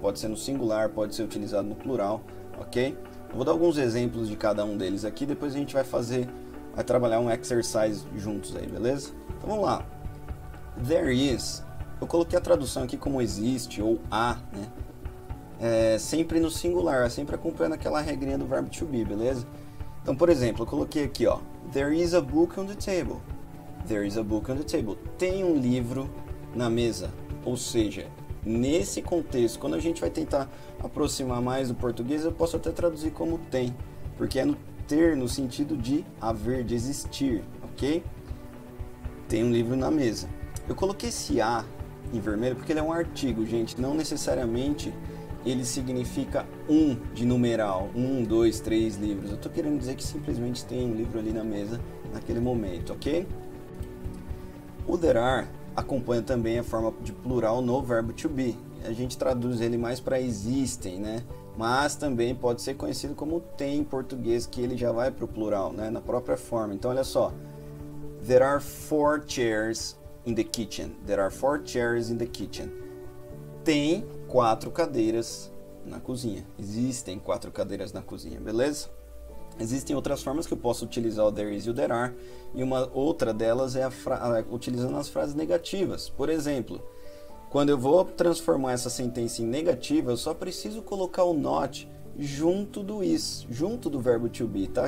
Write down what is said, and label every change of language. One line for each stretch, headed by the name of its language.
Portuguese: Pode ser no singular, pode ser utilizado no plural, ok? Vou dar alguns exemplos de cada um deles aqui, depois a gente vai trabalhar um exercise juntos aí, beleza? Então vamos lá. There is, eu coloquei a tradução aqui como existe ou há, né? É sempre no singular, é sempre acompanhando aquela regrinha do verbo to be, beleza? Então, por exemplo, eu coloquei aqui, ó.
English: There is a book on the table. There is a book on the table.
Portuguese: Tem um livro na mesa. Ou seja, nesse contexto, quando a gente vai tentar aproximar mais do português, eu posso até traduzir como tem, porque é no ter, no sentido de haver, de existir, ok? Tem um livro na mesa. Eu coloquei esse a em vermelho porque ele é um artigo, gente. Não necessariamente ele significa um de numeral, um, dois, três livros. Eu estou querendo dizer que simplesmente tem um livro ali na mesa naquele momento, ok? O there are acompanha também a forma de plural no verbo to be. A gente traduz ele mais para existem, né? Mas também pode ser conhecido como tem em português, que ele já vai para o plural, né? Na própria forma. Então, olha só.
English: There are four chairs in the kitchen. There are four chairs in the kitchen.
Portuguese: Tem quatro cadeiras na cozinha. Existem quatro cadeiras na cozinha, beleza? Existem outras formas que eu posso utilizar o there is e o there are, e uma outra delas é utilizando as frases negativas. Por exemplo, quando eu vou transformar essa sentença em negativa, eu só preciso colocar o not junto do is, junto do verbo to be, tá?